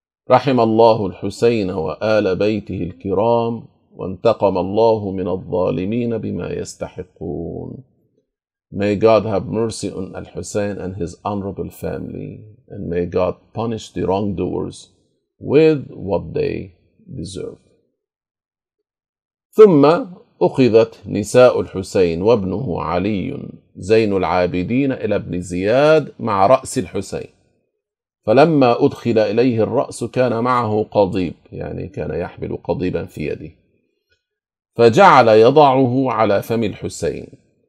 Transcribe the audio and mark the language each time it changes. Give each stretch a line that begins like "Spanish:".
Arabic: رحم الله الحسين وآل بيته الكرام وانتقم الله من الظالمين بما يستحقون.
English: May God have mercy on Al-Hussein and his honorable family, and may God punish the wrongdoers with what they deserve.
Arabic: ثم أخذت نساء الحسين وابنه علي زين العابدين إلى ابن زياد مع رأس الحسين، فلما أدخل إليه الرأس كان معه قضيب، يعني كان يحمل قضيبا في يده، فجعل يضعه على فم الحسين.